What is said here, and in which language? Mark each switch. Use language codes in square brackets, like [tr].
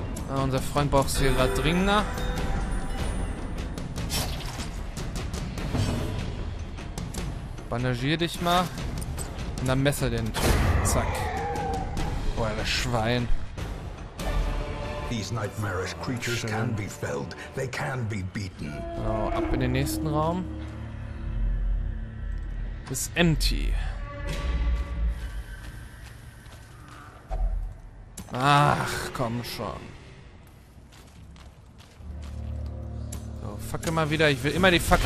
[de] Ah, unser Freund braucht es hier gerade dringender. Bandagier dich mal. Und dann messer den Typen. Zack. Schwein. [en] These nightmarish creatures can be felled. They can be beaten. [de] So, ab in den nächsten Raum. Ist empty. Ach, komm schon. So, fuck immer wieder. Ich will immer die Fuck.